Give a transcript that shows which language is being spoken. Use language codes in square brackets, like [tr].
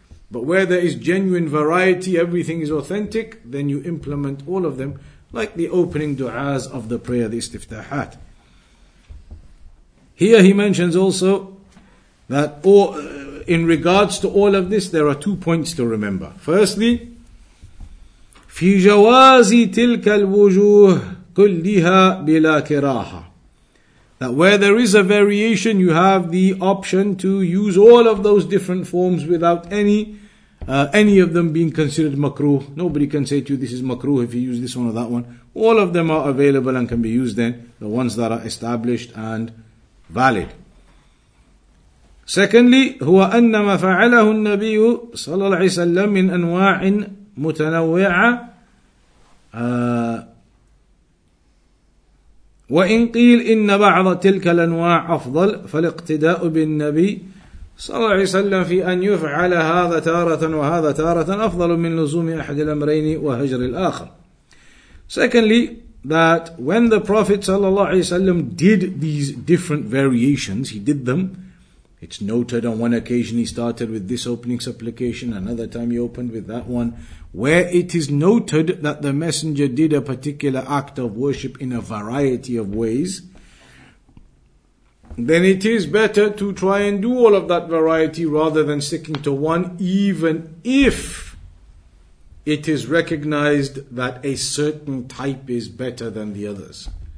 [en] But where there is genuine variety, everything is authentic, then you implement all of them, like the opening du'as of the prayer, the istiftahat. Here he mentions also that in regards to all of this, there are two points to remember. Firstly, [ar] في جواز تلك الوجوه كلها بلا كراهة. [en] That where there is a variation, you have the option to use all of those different forms without any of them being considered makruh. Nobody can say to you, this is makruh if you use this one or that one. All of them are available and can be used then, the ones that are established and valid. Secondly, [ar] هو أن ما فعله النبي صلى الله عليه وسلم من أنواع متنوعة وإن قيل إن بعض تلك الأنواع أفضل فالاقتداء بالنبي صلى الله عليه وسلم في أن يفعل هذا تارة وهذا تارة أفضل من لزوم أحد الأمرين وهجر الآخر. [en] Secondly, that when the Prophet صلى الله عليه وسلم did these different variations, he did them. It's noted on one occasion he started with this opening supplication, another time he opened with that one. Where it is noted that the messenger did a particular act of worship in a variety of ways, then it is better to try and do all of that variety rather than sticking to one, even if it is recognized that a certain type is better than the others.